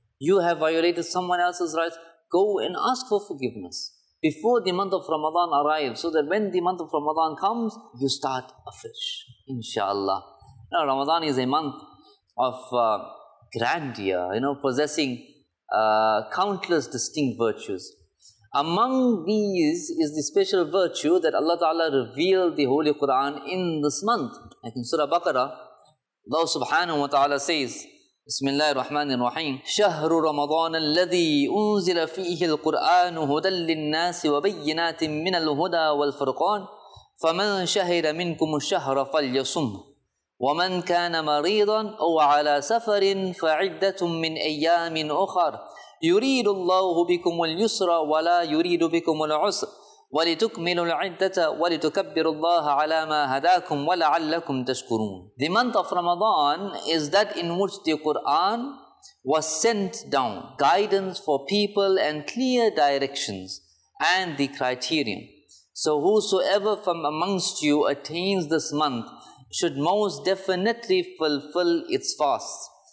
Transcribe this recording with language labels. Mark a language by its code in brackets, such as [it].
[en] You have violated someone else's rights, go and ask for forgiveness before the month of Ramadan arrives, so that when the month of Ramadan comes, you start afresh, inshallah. Now, Ramadan is a month of grandeur, you know, possessing countless distinct virtues. Among these is the special virtue that Allah Ta'ala revealed the Holy Quran in this month. Like in Surah Baqarah, Allah Subhanahu wa Ta'ala says, [ar] Bismillahir Rahmanir Rahim, شهر رمضان الذي أنزل فيه القرآن هدى للناس وبينات من الهدى والفرقان فمن شهد منكم الشهر فليصم ومن كان مريضا أو على سفر فعدة من أيام أخر يريد الله بكم اليسر ولا يريد بكم العسر ولتكملوا العدة ولتكبروا الله على ما هداكم ولعلكم تشكرون. [en] The month of Ramadan is that in which the Quran was sent down, guidance for people and clear directions and the criterion. So whosoever from amongst you attains this month should most definitely fulfill its fast.